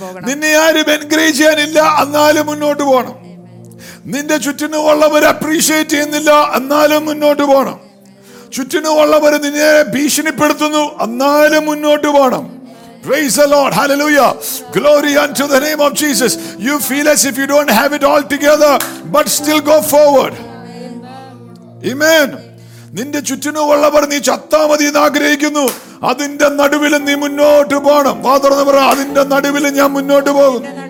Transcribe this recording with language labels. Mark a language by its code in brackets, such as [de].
[ml] നിന്നെ ആരും എൻകറേജ് ചെയ്യാനില്ല, എന്നാലും മുന്നോട്ട് പോകണം. നിന്റെ ചുറ്റിനുമുള്ളവർ അപ്രീഷിയേറ്റ് ചെയ്യുന്നില്ല, എന്നാലും മുന്നോട്ട് പോകണം. ചുറ്റിനുമുള്ളവർ നിന്നെ ഭീഷണിപ്പെടുത്തുന്നു, എന്നാലും മുന്നോട്ട് പോകണം. [en] Praise the Lord. Hallelujah. Glory unto the name of Jesus. You feel as if you don't have it all together, but still go forward. Amen. [ml] നിന്റെ ചുറ്റിനുമുള്ളവർ നീ ചത്താ മതി എന്ന് ആഗ്രഹിക്കുന്നു, അതിന്റെ നടുവിലും നീ മുന്നോട്ട് പോകണം. മാത്രമെന്ന് പറ അതിന്റെ നടുവിലും ഞാൻ മുന്നോട്ട് പോകും.